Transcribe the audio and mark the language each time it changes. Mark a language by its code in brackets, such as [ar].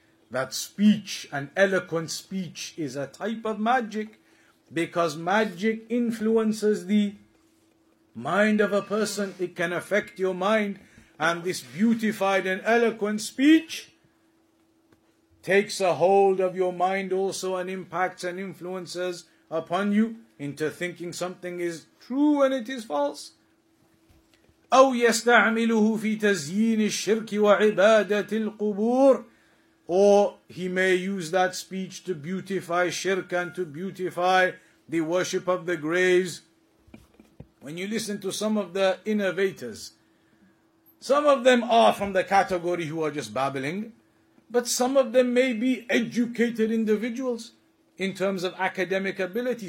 [en] That speech, an eloquent speech, is a type of magic, because magic influences the mind of a person. It can affect your mind. And this beautified and eloquent speech takes a hold of your mind also and impacts and influences upon you into thinking something is true and it is false. [ar] أو يستعمله في تزيين الشرك وعبادة القبور. [en] Or he may use that speech to beautify shirk and to beautify the worship of the graves. When you listen to some of the innovators, some of them are from the category who are just babbling, but some of them may be educated individuals in terms of academic ability.